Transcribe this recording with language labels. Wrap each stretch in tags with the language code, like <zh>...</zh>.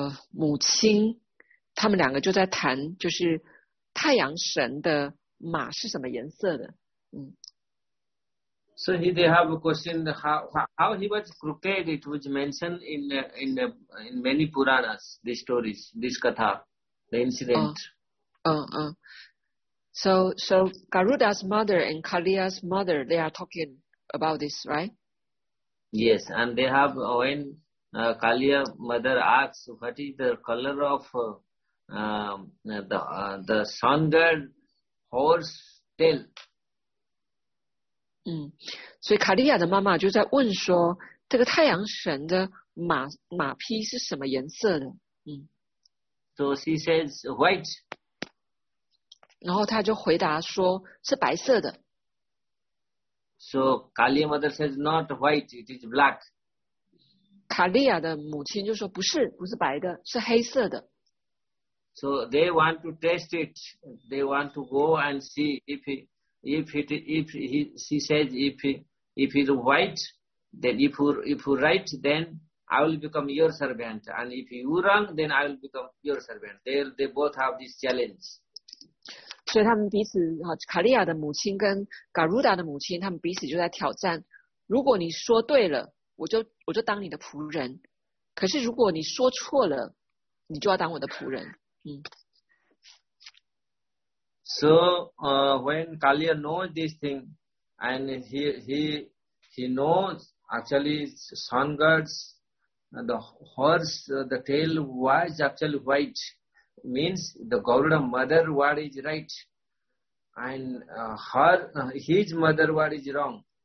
<zh>母亲他们两个就在谈就是太阳神的马是什么颜色的</zh> <en>So he, they have a question, how he was crooked, it was mentioned in many Puranas, these stories, this katha, the incident. So Garuda's mother and Kaliya's mother, they are talking about this, right? Yes, and they have, when Kaliya mother asks, what is the color of the sundered horse tail?</en> <zh>所以卡利亚的妈妈就在问说，这个太阳神的马匹是什么颜色的？</zh> <en>So she says white.</en> <zh>然后他就回答说是白色的。</zh> <en>So Kaliya mother says not white, it is black.</en> <zh>卡利亚的母亲就说不是，不是白的，是黑色的。</zh> <en>So they want to test it. They want to go and see if he is white, then if you right, then I will become your servant. And if you wrong, then I will become your servant. They both have this challenge.</en> <zh>所以他们彼此，卡利亚的母亲跟嘎鲁达的母亲，他们彼此就在挑战。如果你说对了，我就当你的仆人。可是如果你说错了，你就要当我的仆人。</zh> <en>So, when Kaliya knows this thing, and he knows actually sun gods, the horse, the tail was actually white, means the Garuda mother word is right, and his mother word is wrong.</en>